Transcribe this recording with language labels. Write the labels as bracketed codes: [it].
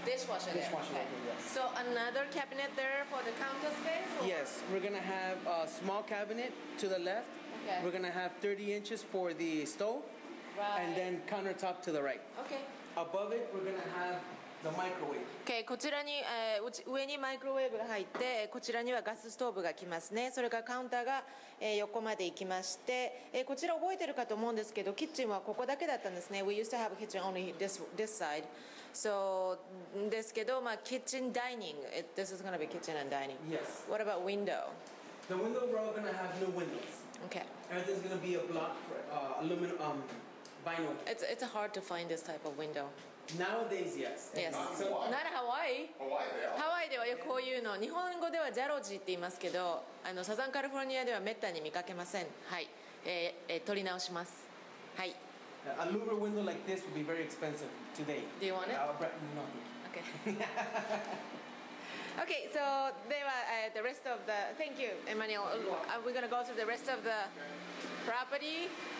[en] Dishwasher there. Okay. So another cabinet there for the counter space? Or? Yes, we're going to have a small cabinet to the left. Okay. We're going to have 30 inches for the stove. Right. And then countertop to the right. Okay. Above it, we're going to have the microwave. [ja] Okay, こちらに、上にマイクロウェーブが入って、こちらにはガスストーブが来ますね。それからカウンターが、横まで行きまして、こちら覚えてるかと思うんですけど、キッチンはここだけだったんですね。 [en] We used to have a kitchen only this side. So, [ja] ですけど、まあ、 [en] kitchen dining. This is going to be kitchen and dining. Yes. What about window? The window, we're all going to have new windows. Okay. Everything's going to be a block, aluminum, vinyl. It's hard to find this type of window. Nowadays, yes. Yes. Not Hawaii. Hawaii [ja] ではこういうの。日本語ではジャロジーって言いますけど、あの、サザンカリフォルニアではめったに見かけません。はい。取り直します。はい。 [en] A louver window like this would be very expensive today. Do you want it? No, thank you. Okay. Okay, so there are the rest of the... Thank you, Emmanuel. Are we going to go to the rest of the property?